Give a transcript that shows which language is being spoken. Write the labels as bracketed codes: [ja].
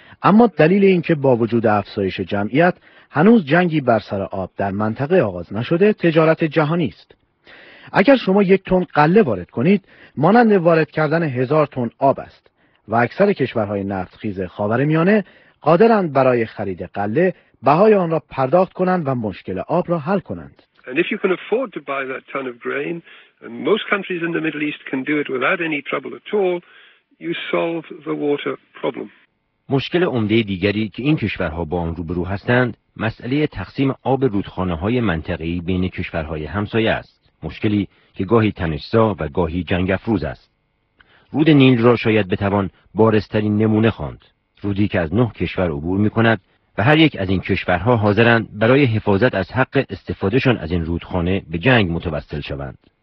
[fa] اما دلیل اینکه با وجود افزایش جمعیت هنوز جنگی بر سر آب در منطقه آغاز نشده تجارت جهانی است. اگر شما 1 تن غله وارد کنید مانند وارد کردن 1000 تن آب است و اکثر کشورهای نفتخیز خاورمیانه قادرند برای خرید غله بهای آن را پرداخت کنند و مشکل آب را حل کنند. [en] And if you can afford to buy that ton of grain, and most countries in the Middle East can do it without any trouble at all, you solve the water problem. [fa] مشکل عمده دیگری که این کشورها با آن روبرو هستند، مسئله تقسیم آب رودخانه‌های منطقه‌ای بین کشورهای همسایه است. مشکلی که گاهی تنش‌زا و گاهی جنگ‌افروز است. رود نیل را شاید بتوان بارزترین نمونه خواند. رودی که از 9 کشور عبور می‌کند و هر یک از این کشورها حاضرند برای حفاظت از حق استفادهشان از این رودخانه به جنگ متوسل شوند.